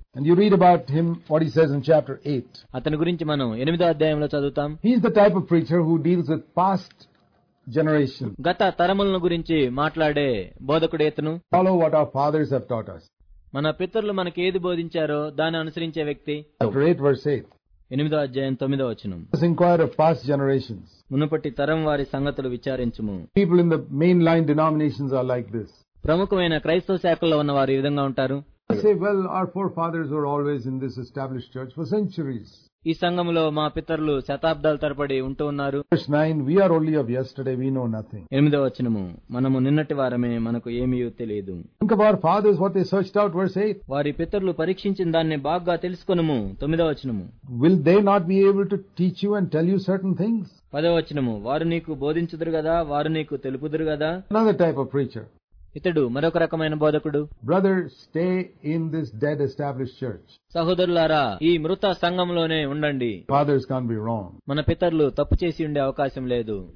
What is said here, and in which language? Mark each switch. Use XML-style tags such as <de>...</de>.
<en>And you read about him what he says in chapter 8.</en> <te>అతని గురించి మనం 8వ అధ్యాయంలో చదువుతాం.</te> <en>He is the type of preacher who deals with past generation.</en> <te>గత తరములను గురించి మాట్లాడే బోధకుడు ఇతను.</te> <en>Follow what our fathers have taught us.</en> <te>మన పితరులు మనకి ఏది బోధించారో దాన్ని అనుసరించే వ్యక్తి.</te> <en>Verse 8.</en> <te>8వ అధ్యాయం 9వ వచనం.</te> <en>Let's inquire of past generations.</en> <te>మునుపటి తరం వారి సంగతులు విచారించుము.</te> <en>People in the main line denominations are like this.</en> <te>ప్రముఖమైన క్రైస్తవ శాఖల్లో ఉన్న వారు ఈ విధంగా ఉంటారు.</te> <en>I say, well, our forefathers were always in this established church for centuries.</en> <te>ఈ సంఘములో మా పితరులు శతాబ్దాల తరబడి ఉంటూ ఉన్నారు.</te> <en>Verse 9, we are only of yesterday, we know nothing.</en> <te>8వ వచనము, మనము నిన్నటి వారమే, మనకు ఏమీ తెలియదు.</te> <en>Think of our fathers, what they searched out, verse 8.</en> <te>వారి పితరులు పరీక్షించిన దాన్ని బాగా తెలుసుకొనుము. 9వ వచనము,</te> <en>will they not be able to teach you and tell you certain things?</en> <te>10వ వచనము, వారు నీకు బోధించుదురు కదా, వారు నీకు తెలుపుదురు కదా.</te> <en>Another type of preacher.</en> <te>ఇతడు మరొక రకమైన బోధకుడు.</te> <en>Brother stay in this dead established church.</en> <te>సహోదరులారా, ఈ మృత సంఘంలోనే ఉండండి.</te> <en>Fathers can be wrong.</en> <te>మన పితరులు తప్పు చేసి ఉండే అవకాశం లేదు.</te>